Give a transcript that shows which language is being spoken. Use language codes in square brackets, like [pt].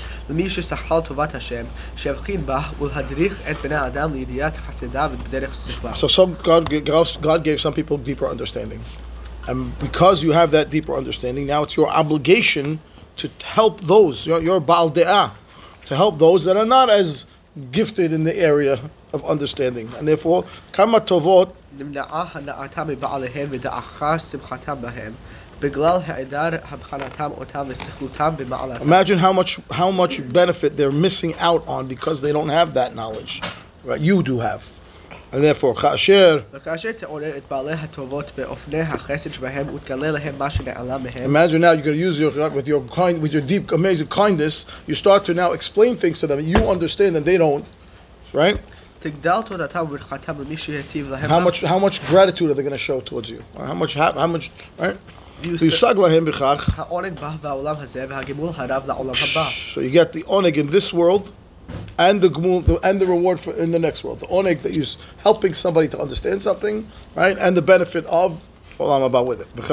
[he] למי ששחל טובת השם, שיבחין בה ולהדריך את בני האדם לידיעת חסידיו בדרך שכבה. [en] So God gave some people deeper understanding. And because you have that deeper understanding, now it's your obligation to help those, your Baal De'ah, to help those that are not as gifted in the area of understanding. And therefore, [he] כמה טובות נמנעה הנעתם מבעליהם ודעכה שמחתם בהם. בגלל העדר הבחנתם אותם וסיכותם במעלתם. [en] Imagine how much benefit they're missing out on because they don't have that knowledge. Right? You do have. And therefore, כאשר [he] תעורר את בעלי הטובות באופני החסד שבהם ותגלה להם מה שנעלם מהם. [en] Imagine now you're going to use your deep, amazing kindness. You start to now explain things to them. You understand and they don't. Right? [he] תגדל תודתם וברכתם למי שהטיב להם. [en] How much gratitude are they going to show towards you? How much, right? So you get the oneg in this world, and the gemul, and the reward for in the next world. The oneg that you're helping somebody to understand something, right, and the benefit of olam haba with it.